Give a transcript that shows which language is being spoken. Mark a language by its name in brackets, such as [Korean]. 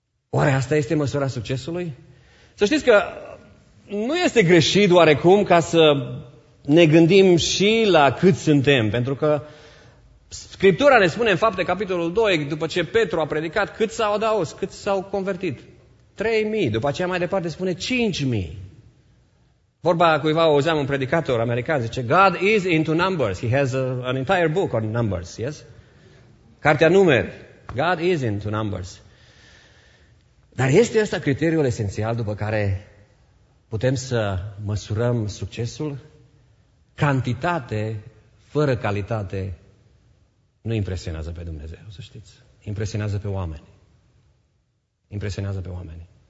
[Romanian] Oare asta este măsura succesului? Să știți că nu este greșit oarecum ca să ne gândim și la cât suntem, pentru că Scriptura ne spune în Fapte, capitolul 2, după ce Petru a predicat, cât s-au adăugat, cât s-au convertit? 3.000, după aceea mai departe spune 5.000. Vorba cuiva, auzeam un predicator american, zice, [English] God is into numbers, he has an entire book on numbers, yes? [Romanian] Cartea Numeri, [English] God is into numbers. [Romanian] Dar este ăsta criteriul esențial după care putem să măsurăm succesul? Cantitate fără calitate nu impresionează pe Dumnezeu, să știți. Impresionează pe oameni. Impresionează pe oameni.